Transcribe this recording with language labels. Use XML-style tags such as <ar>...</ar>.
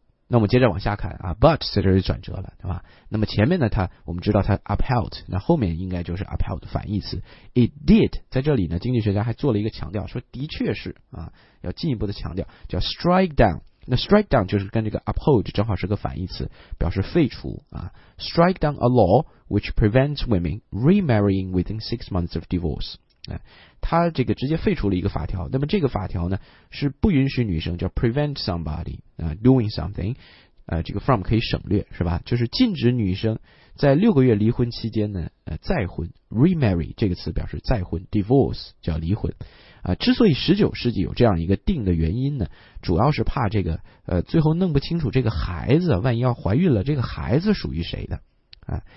<zh>那我们接着往下看啊 ，but 在这里转折了，对吧？那么前面呢，他我们知道他 upheld， 那后面应该就是 upheld 反义词 it did。在这里呢，经济学家还做了一个强调，说的确是啊，要进一步的强调叫 strike down。那 strike down 就是跟这个 uphold 正好是个反义词，表示废除啊。</zh> <en>strike down a law which prevents women remarrying within 6 months of divorce。</en> <zh>他这个直接废除了一个法条，那么这个法条呢是不允许女生叫</zh> <en>prevent somebody doing something</en> <zh>这个 from 可以省略是吧，就是禁止女生在6个月离婚期间呢再婚， remarry 这个词表示再婚， divorce 叫离婚之所以19世纪有这样一个定的原因呢，主要是怕这个最后弄不清楚这个孩子万一要怀孕了这个孩子属于谁的啊。</zh>